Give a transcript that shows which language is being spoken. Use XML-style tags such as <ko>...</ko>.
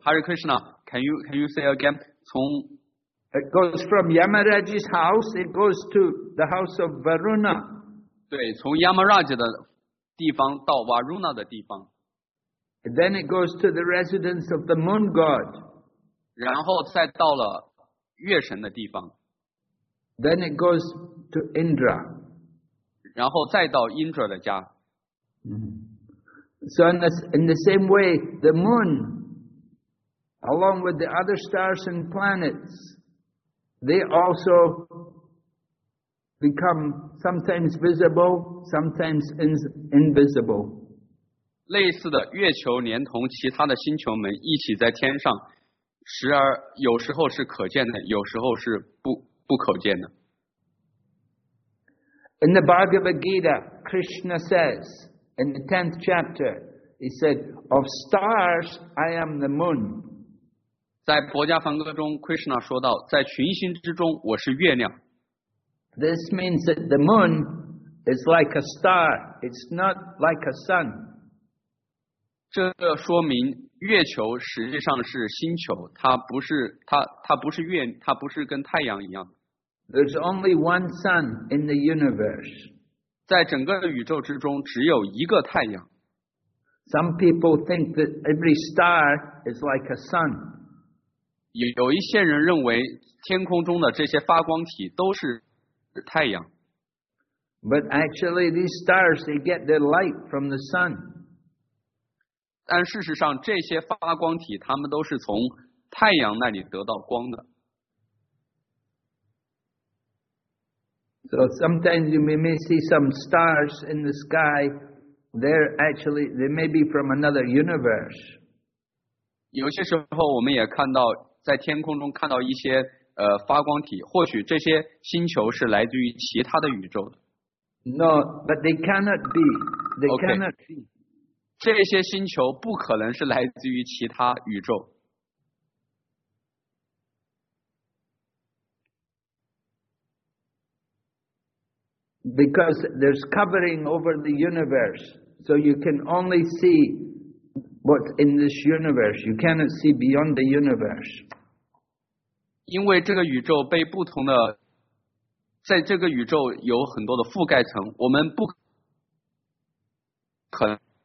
<en>Hare Krishna, can you say again? It goes from Yamaraj's house. It goes to the house of Varuna.</en> <zh>对，从 Yamaraj 的地方到 Varuna 的地方。</zh> <en>Then it goes to the residence of the moon god.</en> <zh>然后再到了月神的地方。</zh> <en>Then it goes to Indra.</en> <zh>然后再到 Indra 的家。</zh> <en>So in the same way, the moon, along with the other stars and planets, they also become sometimes visible, sometimes invisible.</en> <zh>类似的，月球连同其他的星球们一起在天上，时而有时候是可见的，有时候是不可见的。</zh> <en>In the Bhagavad Gita, Krishna says in the 10th chapter. He said, "Of stars, I am the moon."</en> <zh>在《博迦梵歌》中 ，Krishna 说道，在群星之中，我是月亮。</zh> <en>This means that the moon is like a star; it's not like a sun.</en> <zh>这说明月球实际上是星球，它不是跟太阳一样。</zh> <en>There's only one sun in the universe.</en> <zh>在整个宇宙之中，只有一个太阳。</zh> <en>Some people think that every star is like a sun.</en> <zh>有一些人认为天空中的这些发光体都是太阳。</zh> <en>But actually, these stars, they get their light from the sun.</en> <zh>但事实上，这些发光体它们都是从太阳那里得到光的。</zh> <en>So sometimes you may see some stars in the sky. They're actually, they may be from another universe.</en> <zh>有些时候我们也看到在天空中看到一些发光体，或许这些星球是来自于其他的宇宙的。</zh> <en>No, but they cannot be. They cannot be.</en> <zh>这些星球不可能是来自于其他宇宙。</zh> <en>Because there's covering over the universe, so you can only see what's in this universe. You cannot see beyond the universe.</en> <zh>因为这个宇宙被不同的，在这个宇宙有很多的覆盖层，我们不可能。</zh>